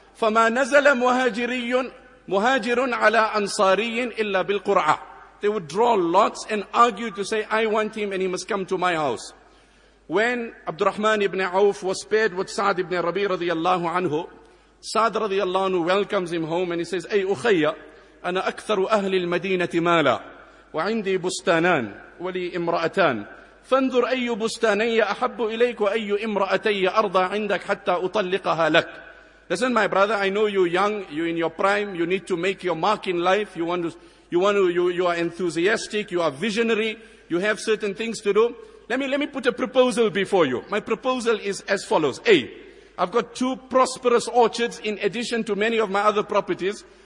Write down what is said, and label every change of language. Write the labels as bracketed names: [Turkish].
[Arabic] فَمَا نَزَلَ مُهَاجِرٌ عَلَىٰ أَنصَارِيٍ إِلَّا بِالْقُرْعَةِ. [English] They would draw lots and argue to say, I want him and he must come to my house. When Abdurrahman ibn Auf was paired with Sa'd ibn Rabi' radiallahu anhu, Sa'd radiallahu anhu welcomes him home and he says, [Arabic] أي أخيّة, أنا أكثر أهل المدينة مالا، وعندي بستانان ولي امرأتان، فانظر أي بستاني أحب إليك وأي امرأتي أرضى عندك حتى أطلقها لك. [English] Listen, my brother, I know you're young, you're in your prime, you need to make your mark in life, you are enthusiastic, you are visionary, you have certain things to do. Let me put a proposal before you. My proposal is as follows. A, I've got two prosperous orchards in addition to many of my other properties.